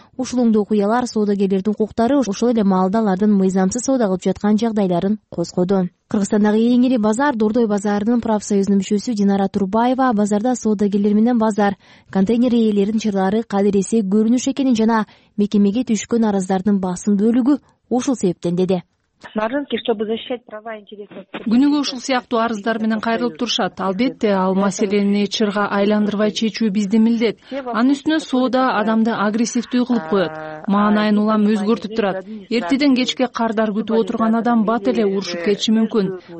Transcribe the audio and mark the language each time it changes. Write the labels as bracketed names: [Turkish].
[Kyrgyz] Ушул оңдоо окуялар соодагерлердин укуктары, ошол эле маалдалардын мыйзамсыз соода кылып жаткан жагдайларын козгоду. Кыргызстандагы эң ири базар Дордой базарынын профсоюзунун мүчөсү Динара Турбаева базарда соодагерлер менен базар контейнер ээлеринин чырлары кадыресе көрүнүш экенин жана мекемеге түшкөн арыздардын басым бөлүгү ушул себептен деди. [Russian] На рынке, чтобы защищать права интересов. [Kyrgyz] Күнүгө ушул сыяктуу арыздар менен кайрылып турушат. Албетте, ал маселени чырга айландырбай чечүү бизди милдет. Анын үстүнө соода адамды агрессивдүү кылып коёт. Маанайын улам өзгөртүп турат. Эртеден кечке кардар күтүп отурган адам бат эле урушуп кетиши мүмкүн.